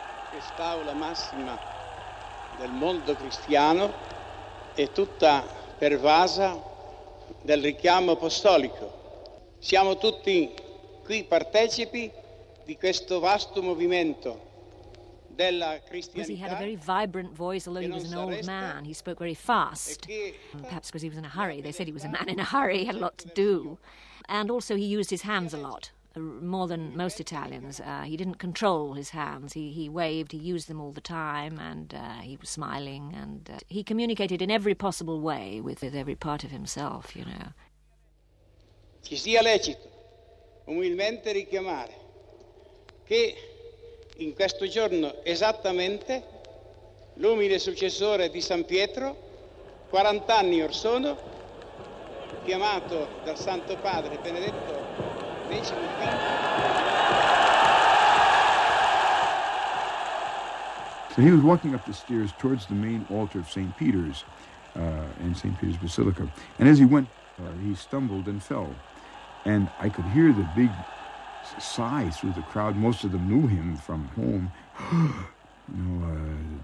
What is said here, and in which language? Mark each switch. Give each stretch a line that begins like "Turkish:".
Italian: Quest'aula massima del mondo cristiano è tutta pervasa del richiamo apostolico. Siamo tutti qui partecipi di questo vasto movimento della cristianità.
English: He had a very vibrant voice, although he was an old man. He spoke very fast, perhaps because he was in a hurry. They said he was a man in a hurry, he had a lot to do. And also he used his hands a lot, more than most Italians. He didn't control his hands. He waved, he used them all the time, and he was smiling, and he communicated in every possible way with every part of himself, you know.
Italian: Ci sia lecito umilmente richiamare che in questo giorno esattamente l'umile successore di San Pietro, 40 anni or sono, chiamato dal Santo Padre Benedetto.
English: So he was walking up the stairs towards the main altar of St. Peter's in St. Peter's Basilica. And as he went, he stumbled and fell. And I could hear the big sigh through the crowd. Most of them knew him from home.